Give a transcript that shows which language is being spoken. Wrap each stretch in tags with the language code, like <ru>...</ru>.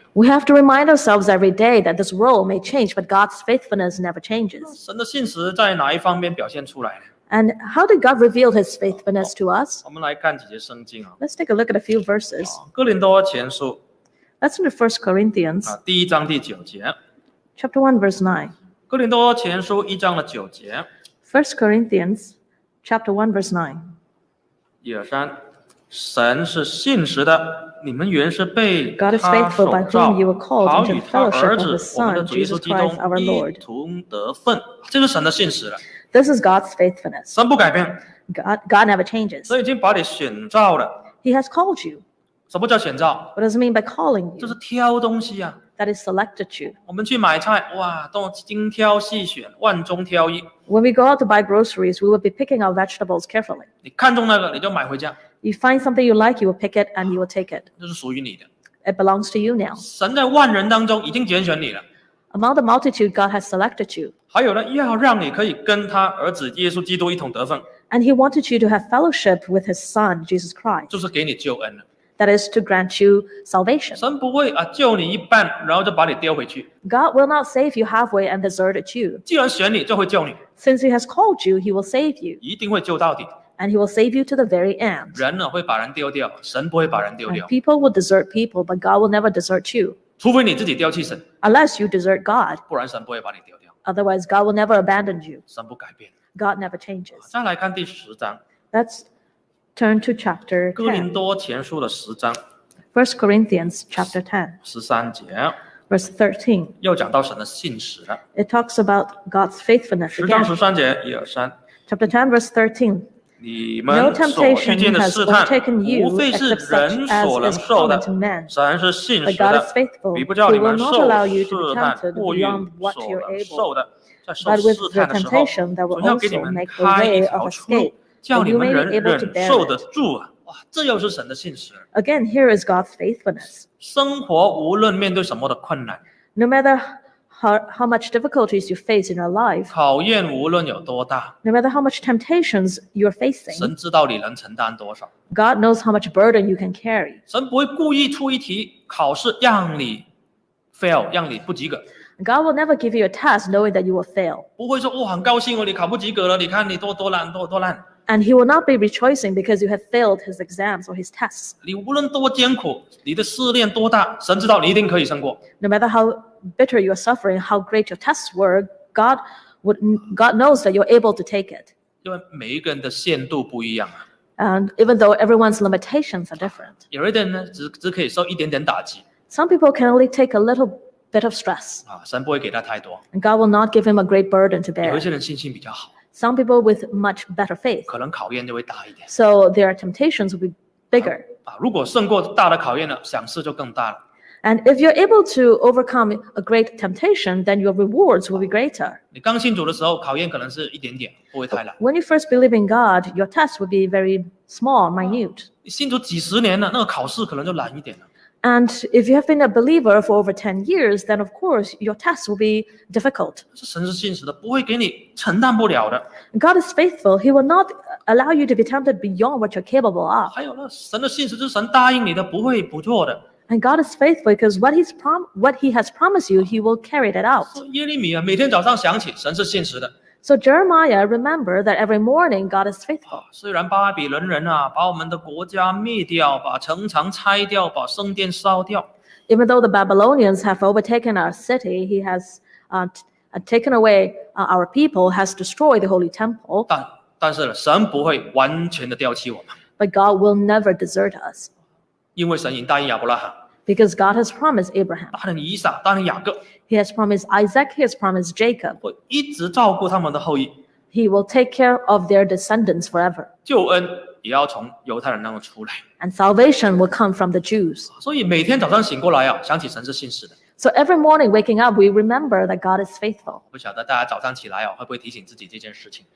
<en>We have to remind ourselves every day that this world may change, but God's faithfulness never changes.</en> <zh>神的信实在哪一方面表现出来？</zh> <en>And how did God reveal His faithfulness to us?</en> <zh>我们来看几节圣经啊。</zh> <en>Let's take a look at a few verses.</en> <zh>哥林多前书。</zh> <en>Let's look at 1 Corinthians.</en> <zh>第一章第九节。</zh> <en>Chapter 1, verse 9.</en> <zh>哥林多前书一章的九节。</zh> <en>First Corinthians, chapter 1, verse 9.</en> <zh>一二三，神是信实的，你们原是被</zh> <en>God is faithful, by whom you were called into fellowship with His Son, Jesus Christ, our Lord.</en> <zh>同得分，这是神的信实了。</zh> <en>This is God's faithfulness.</en> <zh>神不改变。</zh> <en>God never changes.</en> <zh>所以已经把你选召了。</zh> <en>He has called you.</en> <zh>什么叫选召？</zh> <en>What does it mean by calling you?</en> <zh>就是挑东西啊。</zh> <en>That is selected you.</en> <zh>我们去买菜，哇，都精挑细选，万中挑一。</zh> <en>When we go out to buy groceries, we will be picking our vegetables carefully.</en> <zh>你看中那个，你就买回家。</zh> <en>You find something you like, you will pick it and you will take it.</en> <zh>这是属于你的。</zh> <en>It belongs to you now.</en> <zh>神在万人当中已经拣选你了。</zh> <en>Among the multitude, God has selected you.</en> <zh>还有呢，要让你可以跟他儿子耶稣基督一同得分。</zh> <en>And He wanted you to have fellowship with His Son, Jesus Christ.</en> <zh>就是给你救恩了。</zh> <en>That is to grant you salvation.</en> <zh>神不会救你一半，然后就把你丢回去。</zh> <en>God will not save you halfway and deserted you.</en> <zh>既然选你，就会救你。</zh> <en>Since He has called you, He will save you.</en> <zh>一定会救到底。</zh> <en>And he will save you to the very end.</en> <zh>人呢会把人丢掉，神不会把人丢掉。</zh> <en>And people will desert people, but God will never desert you.</en> <zh>除非你自己丢弃神。</zh> <en>Unless you desert God.</en> <zh>不然神不会把你丢掉。</zh> <en>Otherwise, God will never abandon you.</en> <zh>神不改变。</zh> <en>God never changes.</en> <zh>再来看第十章。</zh> <en>Let's turn to chapter 10.</en> <zh>哥林多前书的十章。</zh> <en>First Corinthians chapter 10.</en> <zh>十三节。</zh> <en>Verse 13.</en> <zh>又讲到神的信实了。</zh> <en>It talks about God's faithfulness.</en> <zh>十章十三节，一二三。</zh> <en>Chapter 10, verse 13. No temptation has overtaken you except such as is common to men. But God is faithful. He will not allow you to be tempted beyond what you are able. But with the temptation, that will also make the way of escape, that you may be able to bear it.</en> <zh>哇，这又是神的信实。</zh> <en>Again, here is God's faithfulness.</en> <zh>生活无论面对什么的困难。</zh> <en>No matter how much difficulties you face in your life,</en> <zh>考验无论有多大,</zh> <en>no matter how much temptations you're facing,</en> <zh>神知道你能承担多少。</zh> <en>God knows how much burden you can carry.</en> <zh>神不会故意出一题考试让你 fail, 让你不及格。</zh> <en>God will never give you a test knowing that you will fail.</en> <zh>不会说哇，很高兴哦，你考不及格了，你看你多烂，多烂。</zh> <en>And he will not be rejoicing because you have failed his exams or his tests.</en> <zh>你无论多艰苦，你的试炼多大，神知道你一定可以胜过。</zh> <en>No matter how bitter your suffering, how great your tests were, God knows that you're able to take it.</en> <zh>因为每一个人的限度不一样啊。</zh> <en>And even though everyone's limitations are different.</en> <zh>有的人呢，只可以受一点点打击。</zh> <en>Some people can only take a little bit of stress.</en> <zh>啊，神不会给他太多。</zh> <en>And God will not give him a great burden to bear.</en> <zh>有些人信心比较好。</zh> <en>Some people with much better faith.</en> <zh>可能考验就会大一点。</zh> <en>So their temptations will be bigger.</en> <zh>啊，如果胜过大的考验了，赏赐就更大了。</zh> <en>And if you're able to overcome a great temptation, then your rewards will be greater.</en> <zh>你刚信主的时候，考验可能是一点点，不会太难。</zh> <en>When you first believe in God, your test will be very small, minute.</en> <zh>你信主几十年了，那个考试可能就难一点了。</zh> <en>And if you have been a believer for over 10 years, then of course your test will be difficult.</en> <zh>神是信实的，不会给你承担不了的。</zh> <en>God is faithful. He will not allow you to be tempted beyond what you're capable of.</en> <zh>还有呢，神的信实就是神答应你的，不会不做的。</zh> <en>And God is faithful because what He has promised you, He will carry it out.</en> <zh>耶利米啊，每天早上想起，神是信实的。</zh> <en>So Jeremiah remember that every morning God is faithful.</en> <zh>虽然巴比伦人啊，把我们的国家灭掉，把城墙拆掉，把圣殿烧掉。</zh> <en>Even though the Babylonians have overtaken our city, He has taken away our people, has destroyed the holy temple.</en> <zh>但是呢，神不会完全的丢弃我们。</zh> <en>But God will never desert us.</en> <zh>因为神已经答应亚伯拉罕。</zh> <en>Because God has promised Abraham.</en> <zh>答应以撒，答应雅各。</zh> <en>He has promised Isaac. He has promised Jacob.</en> <zh>会一直照顾他们的后裔。</zh> <en>He will take care of their descendants forever.</en> <zh>救恩也要从犹太人那出来。</zh> <en>And salvation will come from the Jews.</en> <zh>所以每天早上醒过来啊，想起神是信实的。</zh> <en>So every morning waking up, we remember that God is faithful.</en> <zh>不晓得大家早上起来啊，会不会提醒自己这件事情</zh>